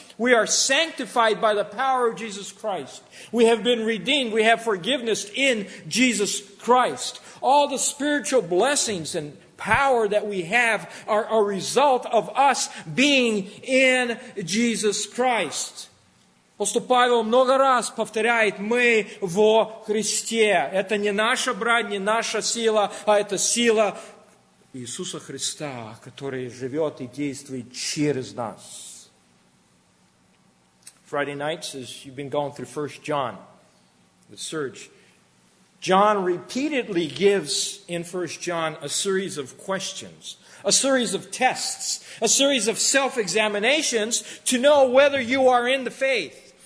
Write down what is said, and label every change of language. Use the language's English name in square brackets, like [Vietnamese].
[English] We are sanctified by the power of Jesus Christ. We have been redeemed. We have forgiveness in Jesus Christ. All the spiritual blessings and power that we have are a result of us being in Jesus Christ. [Russian] Апостол Павел много раз повторяет, мы во Христе. Это не наша брань, не наша сила, а это сила Иисуса Христа, который живет и действует через нас. [English] Friday nights, as you've been going through 1 John, the search, John repeatedly gives in 1 John a series of questions, a series of tests, a series of self-examinations to know whether you are in the faith.